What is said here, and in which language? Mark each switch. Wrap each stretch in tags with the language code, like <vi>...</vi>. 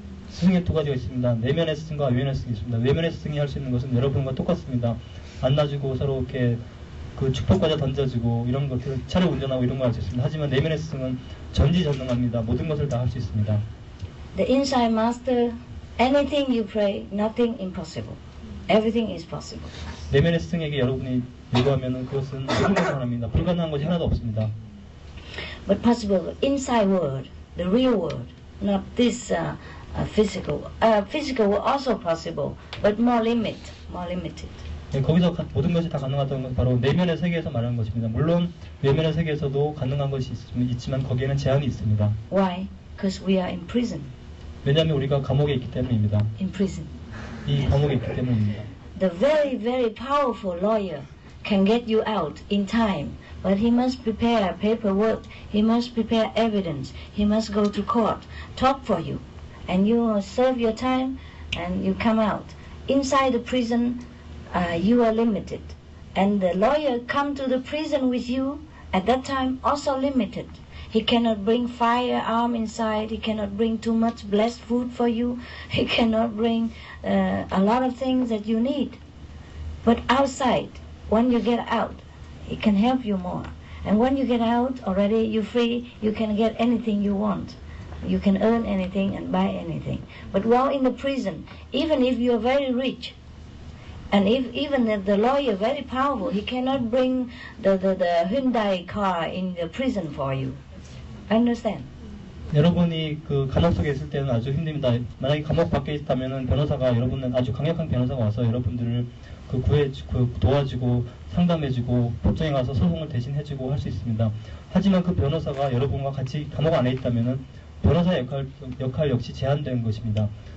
<ko>스승의 두 가지가 있습니다. 내면의 스승과 외면의 스승이 있습니다. 외면의 스승이 할 수 있는 것은 여러분과 똑같습니다. 만나주고 서로 이렇게 그 축복과자 던져주고 이런 것들 차를 운전하고 이런 걸 할 수 있습니다. 하지만 내면의 스승은 전지전능합니다. 모든 것을 다 할 수 있습니다.</ko> <en>The inside master, anything you pray, nothing impossible. Everything is possible.</en> <ko>내면의 스승에게 여러분이 요구하면은 그것은 모든 것을 원합니다. 불가능한 것이 하나도 없습니다.</ko> <en>But possible inside world, the real world, not this physical. Physical world also possible, but more limited.</en> <ko>네, 거기서 모든 것이 다 가능하다는 것은 바로 내면의 세계에서 말하는 것입니다. 물론 외면의 세계에서도 가능한 것이 있지만 거기에는 제한이 있습니다.</ko> <en>Why? Because we are in prison.</en> <ko>왜냐하면 우리가 감옥에 있기 때문입니다.</ko> <en>In prison.</en> <ko>이 감옥에 있기 때문입니다.</ko> <en>The very, very powerful lawyer can get you out in time, but he must prepare paperwork, he must prepare evidence, he must go to court, talk for you, and you serve your time, and you come out. Inside the prison, you are limited, and the lawyer come to the prison with you, at that time also limited. He cannot bring firearm inside, he cannot bring too much blessed food for you, he cannot bring a lot of things that you need. But outside, when you get out, he can help you more. And when you get out already, you're free, you can get anything you want. You can earn anything and buy anything. But while in the prison, even if you're very rich, and even if the lawyer very powerful, he cannot bring the Hyundai car in the prison for you. Understand.</en> <ko>여러분이 그 감옥 속에 있을 때는 아주 힘듭니다. 만약에 감옥 밖에 있다면은 변호사가 여러분은 아주 강력한 변호사가 와서 여러분들을 그 도와주고 상담해주고 법정에 가서 소송을 대신 해주고 할 수 있습니다. 하지만 그 변호사가 여러분과 같이 감옥 안에 있다면은 변호사 역할 역시 제한된 것입니다.</ko>